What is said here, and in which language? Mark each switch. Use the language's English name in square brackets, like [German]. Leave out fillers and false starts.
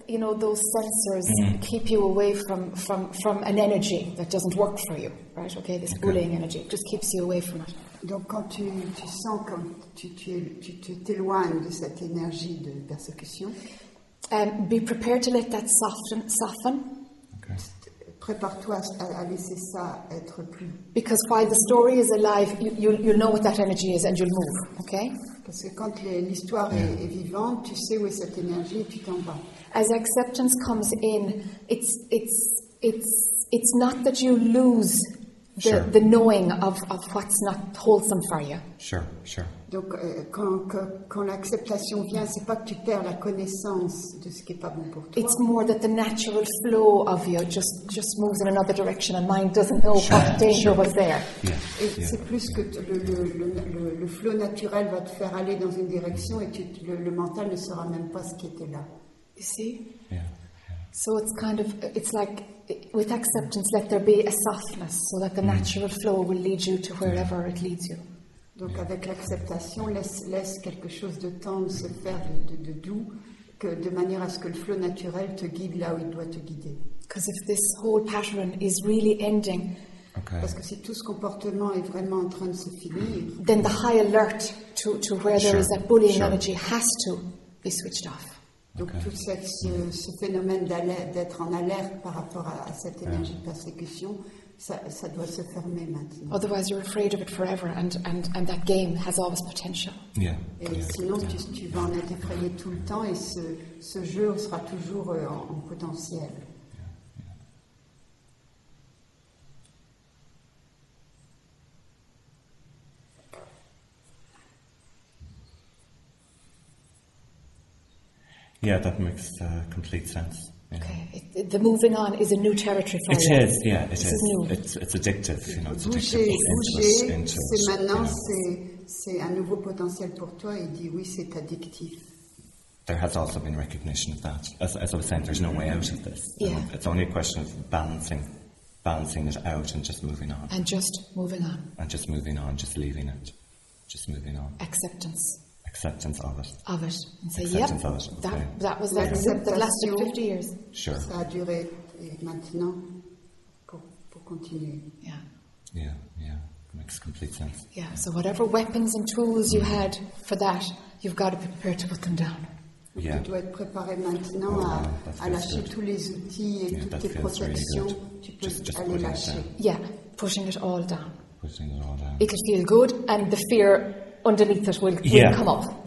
[English] You know, those sensors keep you away from an energy that doesn't work for you, right? Okay, this bullying energy just keeps you away from it. [French] Donc quand tu sens comme tu t'éloignes de cette énergie de persécution, [English] be prepared to let that soften. [French] Prépare-toi à laisser ça être plus. [English] Because while the story is alive, you'll know what that energy is and you'll move. Okay. [French] Parce que quand l'histoire est vivante, tu sais où est cette énergie et tu t'en vas. [English] As acceptance comes in, it's not that you lose the knowing of what's not wholesome for you. Sure, sure. [French] Donc quand l'acceptation vient, c'est pas que tu perds la connaissance de ce qui est pas bon pour toi. [English] It's more that the natural flow of you just moves in another direction, and mind doesn't know what danger was there. Yeah, [French] et [English] yeah, [French] c'est plus que le flow naturel va te faire aller dans une direction, et le mental ne saura même pas ce qui était là. [English] You see? Yeah. So it's like with acceptance, let there be a softness, so that the natural flow will lead you to wherever it leads you. [French] Donc avec l'acceptation, laisse quelque chose de tendre se faire de doux, que de manière à ce que le flot naturel te guide là où il doit te guider. [English] Because if this whole pattern is really ending, [French] parce que si tout ce comportement est vraiment en train de se finir, [English] then the high alert to where there is a bullying energy has to be switched off. [French] Donc tout ce phénomène d'être en alerte par rapport à cette énergie de persécution. Ça doit se fermer maintenant. [English] Otherwise, you're afraid of it forever, and that game has all this potential. Yeah. [French] Et sinon, tu vas en être effrayé tout le temps, et ce jeu sera toujours en potentiel. [English] Yeah, that makes complete sense. Okay, the moving on is a new territory for it you. It is, yeah, it this is. New. It's addictive, you know, it's [French] bouger, [English] addictive. [French] Bouger, c'est maintenant, [English] you know. [French] c'est un nouveau potentiel pour toi, il dit oui, c'est addictif. [English] There has also been recognition of that. As I was saying, there's no way out of this. Yeah. It's only a question of balancing it out and just moving on. And just moving on. And just moving on, just leaving it, just moving on. Acceptance of it. Of it. And say, yep, of it. Okay. That was that. Yeah. That lasted 50 years. Sure. [French] Ça a duré maintenant pour continuer. [English] Yeah. Yeah, yeah. It makes complete sense. Yeah, so whatever weapons and tools you had for that, you've got to be prepared to put them down. Yeah. [French] Tu dois être préparé maintenant à lâcher tous les outils et toutes tes protections. Tu peux aller lâcher. [English] Yeah, pushing it all down. Pushing it all down. It could feel good and the fear underneath it will come up.